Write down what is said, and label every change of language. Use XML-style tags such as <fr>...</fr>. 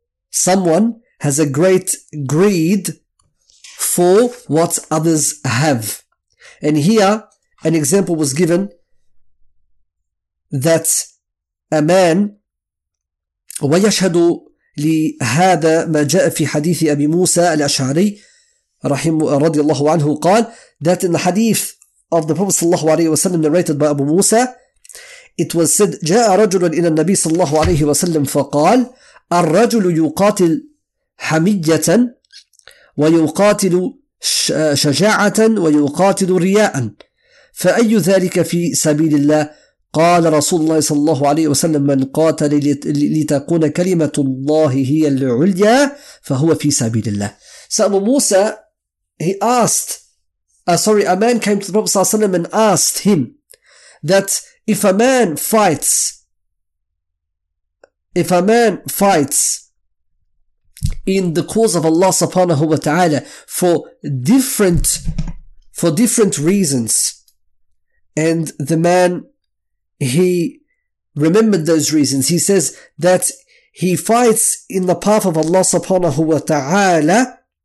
<en>Someone has a great greed for what others have. And here, an example was given that a man,</en> <ar>وَيَشْهَدُ لِهَذَا مَا جَاءَ فِي حَدِيثِ أَبِي مُوسَى الْأَشْعَرِي رضي الله عنه قال,</ar> <en>that in the hadith of the Prophet صلى الله عليه وسلم narrated by Abu Musa, it was said,</en> <ar>جاء رجل إلى النبي صلى الله عليه وسلم فقال, الرجل يقاتل حمية ويقاتل شجاعة ويقاتل رياء, فأي ذلك في سبيل الله؟ قال رسول الله صلى الله عليه وسلم, من قاتل لتكون كلمة الله هي العليا فهو في سبيل الله.</ar> <en>So Abu Musa, a man came to the Prophet صلى الله عليه وسلم and asked him that if a man fights in the cause of Allah subhanahu wa ta'ala for different reasons, and the man, he remembered those reasons, he says that he fights in the path of Allah subhanahu wa ta'ala</en>